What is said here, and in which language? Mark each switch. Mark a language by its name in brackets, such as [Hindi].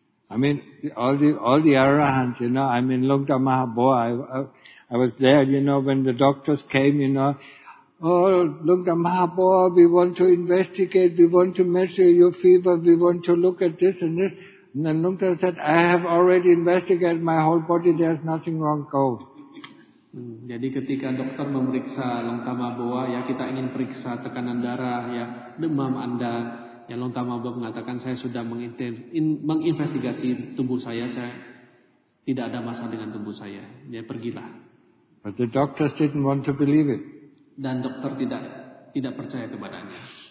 [English] I mean, all the arahants, you know. I mean, Lungta Mahabua, I was there, you know, when the doctors came, you know. Oh, Lungta Mahabua, we want to investigate, we want to measure your fever, we want to look at this and this. And then Lungta said, I have already investigated my whole body, there's nothing wrong, go. [Indonesian] Jadi ketika dokter memeriksa Lungta Mahabua, ya kita ingin periksa tekanan darah, ya demam Anda, ya Lungta Mahabua mengatakan, saya sudah menginvestigasi tubuh saya tidak ada masalah dengan tubuh saya, dia pergilah. [English] But the doctors didn't want to believe it. [Indonesian] Dan dokter tidak percaya kepadanya.